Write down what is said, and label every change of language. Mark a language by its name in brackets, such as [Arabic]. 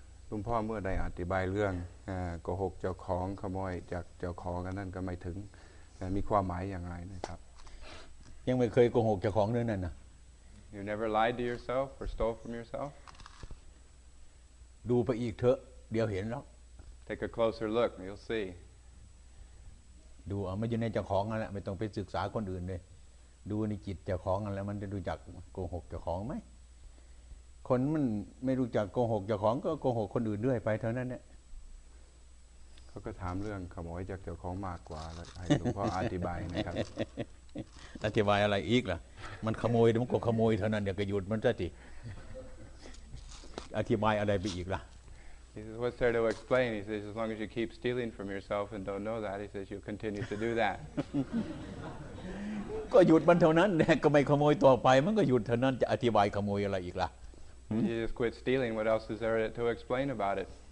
[Thai] ลุงพ่อเมื่อได้อธิบายเรื่องโกหกเจ้าของขโมยจากเจ้าของนั่นก็ไม่ถึงมีความหมายอย่างไรนะครับ ยังไม่เคยโกหกเจ้าของเลยนั่นนะ [English] You never lied to yourself or stole from yourself [Thai] ดูไปอีกเถอะเดี๋ยวเห็นหรอก [English] Take a closer look you'll see [Thai] ดูเอาไม่อยู่ในเจ้าของนั่นแหละไม่ต้องไปศึกษาคนอื่นเลยดูในจิตเจ้าของนั่นแหละมันจะรู้จักโกหกเจ้าของไหมคนมันไม่รู้จักโกหกเจ้าของก็โกหกคนอื่นด้วยไปเท่านั้นแหละ เขาก็ถามเรื่องขโมยจากเจ้าของมากกว่าแล้วให้หลวงพ่ออธิบายนะครับอธิบายอะไรอีกล่ะมันขโมยมันก็ขโมยเท่านั้นเดี๋ยวก็หยุดมันซะทีอธิบายอะไรไปอีกล่ะ [English] He says, What's there to explain? He says, As long as you keep stealing from yourself and don't know that, he says, you'll continue to do that. [Thai] ก็หยุดมันเท่านั้นก็ไม่ขโมยต่อไปมันก็หยุดเท่านั้นจะอธิบายขโมยอะไรอีกล่ะ [English] You just quit stealing. What else is there to explain about it?